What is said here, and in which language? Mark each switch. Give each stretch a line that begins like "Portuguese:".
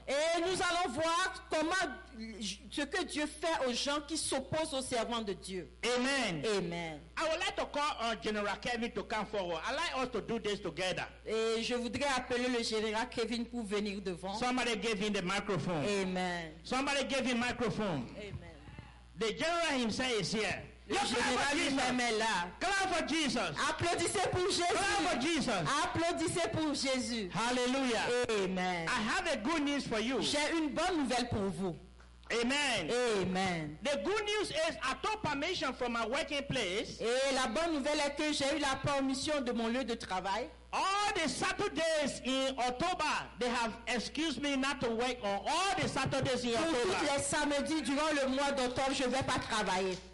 French: Et nous allons voir comment ce que Dieu fait aux gens qui s'opposent aux servants de Dieu.
English: Amen.
French: Amen.
English: I would like to call on General Kevin to come forward. I'd like us to do this together.
French: Et je voudrais appeler le général Kevin pour venir devant.
English: Somebody give him the microphone. Amen. Somebody give him microphone. Amen. The general himself is here.
French: Le général lui-même est là.
English: Clap for Jesus.
French: Applaudissez pour Jésus.
English: Clap for Jesus.
French: Applaudissez pour Jésus.
English: Hallelujah. Amen. I have a good news for you.
French: J'ai une bonne nouvelle pour vous.
English: Amen.
French: Amen.
English: The good news is I took permission from my working place.
French: Et la bonne nouvelle est que j'ai eu la permission de mon lieu de travail.
English: All the Saturdays in October, they have excused me not to work on all the Saturdays in
French: pour
English: October.
French: Tous les samedis durant le mois d'octobre, je vais pas travailler.